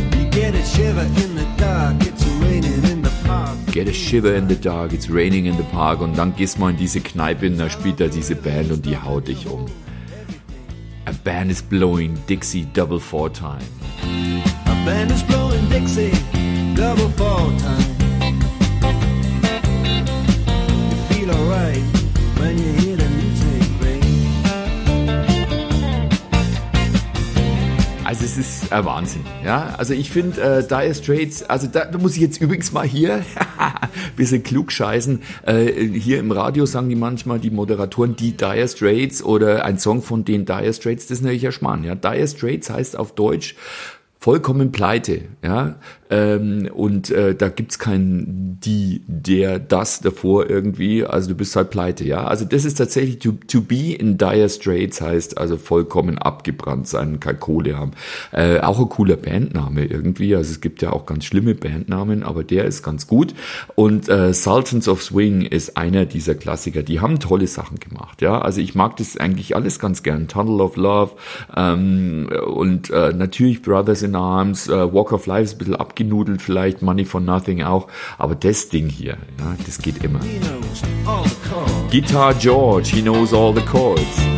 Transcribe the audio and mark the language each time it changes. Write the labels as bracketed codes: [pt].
[en] Get a shiver in the dark, it's raining in the park [de] und dann gehst du mal in diese Kneipe und da spielt da diese Band und die haut dich um. [en] A band is blowing Dixie double four time. A band is blowing Dixie double four time. You feel alright when you hear the music ring. [de] Also es ist Wahnsinn, ja? Also ich finde Dire Straits, also da muss ich jetzt übrigens mal hier bisschen klugscheißen. Hier im Radio sagen die manchmal, die Moderatoren, die Dire Straits oder ein Song von den Dire Straits, das ist natürlich ein Schmarrn. Ja? Dire Straits heißt auf Deutsch vollkommen pleite. Ja? Da gibt's kein die, der, das davor irgendwie. Also du bist halt pleite. Ja? Also das ist tatsächlich, [en] to be in Dire Straits [de] heißt also vollkommen abgebrannt sein, kein Kohle haben. Auch ein cooler Bandname irgendwie. Also es gibt ja auch ganz schlimme Bandnamen, aber der ist ganz gut. Und Sultans of Swing ist einer dieser Klassiker. Die haben tolle Sachen gemacht. Ja? Also ich mag das eigentlich alles ganz gern. Tunnel of Love natürlich Brothers in Arms, Walk of Life ist ein bisschen abgenudelt vielleicht, Money for Nothing auch, aber das Ding hier, ja, das geht immer. [en] Guitar George, he knows all the chords.